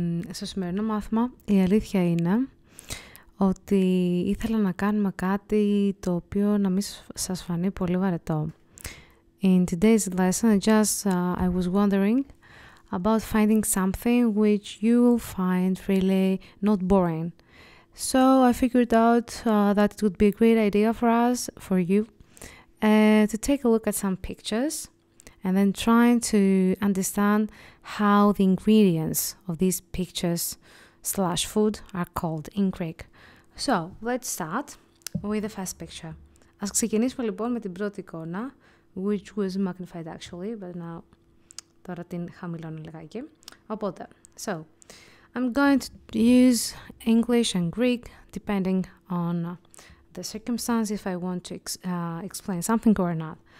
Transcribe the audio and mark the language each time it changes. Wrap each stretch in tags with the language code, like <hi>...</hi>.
<el>Στο σημερινό μάθημα η αλήθεια είναι ότι ήθελα να κάνουμε κάτι το οποίο να μην σας φανεί πολύ βαρετό.</el> <en>In today's lesson, I was wondering about finding something which you will find really not boring. So I figured out that it would be a great idea for us, for you, to take a look at some pictures and then trying to understand how the ingredients of these pictures slash food are called in Greek. So let's start with the first picture.</en> <el>Ας ξεκινήσουμε λοιπόν με την πρώτη εικόνα,</el> <en>which was magnified actually, but now</en> <el>τώρα την χαμηλώνω λιγάκι.</el> <en>Οπότε, so I'm going to use English and Greek depending on the circumstance if I want to explain something or not.</en>